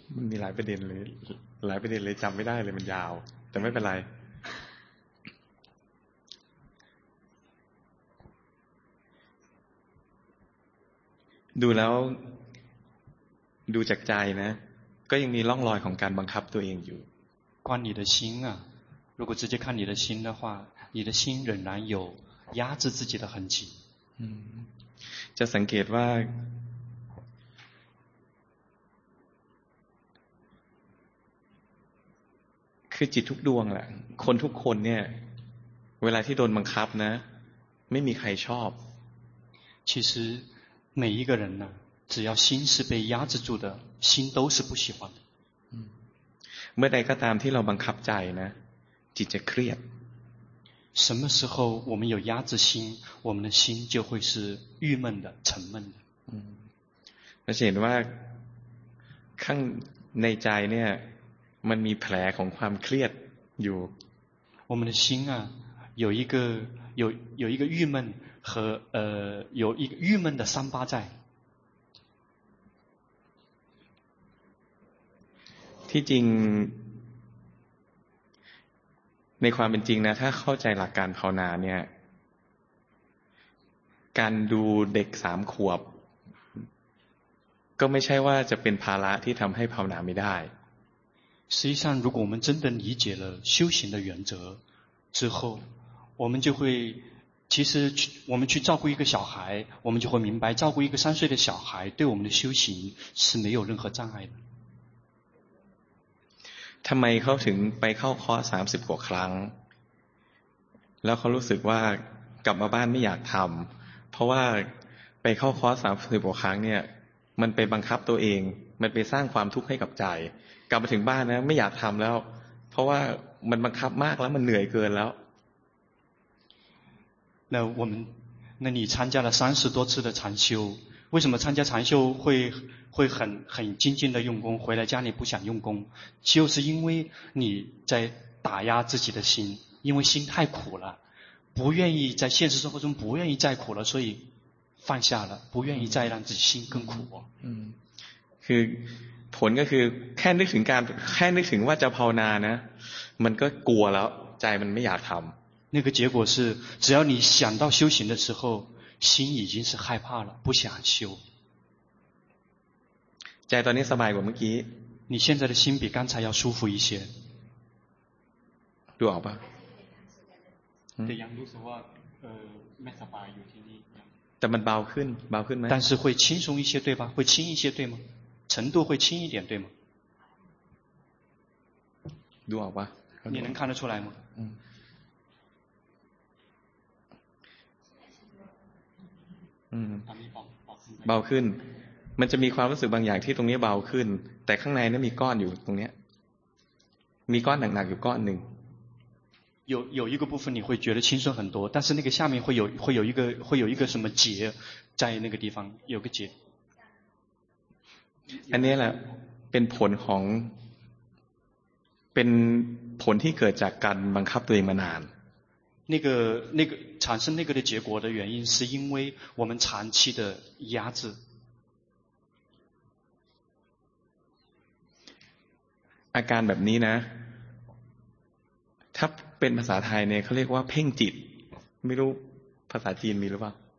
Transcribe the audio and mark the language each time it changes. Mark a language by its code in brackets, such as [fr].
[th] มีหลายประเด็นเลยหลายประเด็นเลยจำไม่ได้เลยมันยาวแต่ไม่เป็นไรดูแล้วดูจากใจนะก็ยังมีร่องรอยของการบังคับตัวเองอยู่ [zh] 观你的心啊如果直接看你的心的话你的心仍然有压制自己的痕迹 [th] จะสังเกตว่าคือจิตทุกดวงแหละคนทุกคนเนี่ยเวลาที่โดนบังคับนะไม่มีใครชอบ [zh] 其实每一个人呢只要心是被压制住的心都是不喜欢的 [th] เมื่อใดก็ตามที่เราบังคับใจนะจิตจะเครียด [zh] 什么时候我们有压制心我们的心就会是郁闷的沉闷的 [th] เราจะเห็นว่าข้างในใจเนี่ยมันมีแผลของความเครียดอยู่ [zh] 我们的心啊有一个有一个郁闷和有一个郁闷的伤疤在 [th] ที่จริงในความเป็นจริงนะถ้าเข้าใจหลักการภาวนาเนี่ยการดูเด็ก3ขวบก็ไม่ใช่ว่าจะเป็นภาระที่ทำให้ภาวนาไม่ได้ [zh] 实际上如果我们真的理解了修行的原则之后我们就会其实我们去照顾一个小孩我们就会明白照顾一个3岁的小孩对我们的修行是没有任何障碍的 [th] ทำไมเขาถึงไปเข้าคอร์ส30กว่าครั้งแล้วเขารู้สึกว่ากลับมาบ้านไม่อยากทำเพราะว่าไปเข้าคอร์ส30กว่าครั้งเนี่ยมันไปบังคับตัวเองมันไปสร้างความทุกข์ให้กับใจกลับมาถึงบ้านนะไม่อยากทำแล้วเพราะว่ามันบังคับมากแล้วมันเหนื่อยเกินแล้ว [zh] 那我们那你参加了30多次的禅修为什么参加禅修会很精进的用功回来家里不想用功就是因为你在打压自己的心因为心太苦了不愿意在现实生活中不愿意再苦了所以放下了不愿意再让自己心更苦 [th] คือผลก็คือแค่นึกถึงการแค่นึกถึงว่าจะภาวนานะมันก็กลัวแล้วใจมันไม่อยากทำ [zh] 那个结果是只要你想到修行的时候心已经是害怕了不想修 [th] ใจตอนนี้สบายกว่าเมื่อกี้ [zh] 你现在的心比刚才要舒服一些 [th] ดูออกป่ะ แต่ยังรู้สึกว่าไม่สบายอยู่ที่นี่แต่มันเบาขึ้นเบาขึ้นไหม [zh] 但是会轻松一些对吧会轻一些对吗程度会轻一点对吗读好吧你能看得出来吗 [th] เบาขึ้นมันจะมีความรู้สึกบางอย่างที่ตรงนี้เบาขึ้นแต่ข้างในนั้นมีก้อนอยู่ตรงนี้มีก้อนหนักๆอยู่ก้อนหนึ่ง [zh] 有一个部分你会觉得轻松很多但是那个下面会有一个什么结在那个地方有个结 [th] อันนี้แหละเป็นผลของเป็นผลที่เกิดจากการบังคับตัวเองมานาน [zh] 那个产生那个的结果的原因是因为我们长期的压制 [th] อาการแบบนี้นะถ้าเป็นภาษาไทยเนี่ยเขาเรียกว่าเพ่งจิตไม่รู้ภาษาจีนมีหรือเปล่า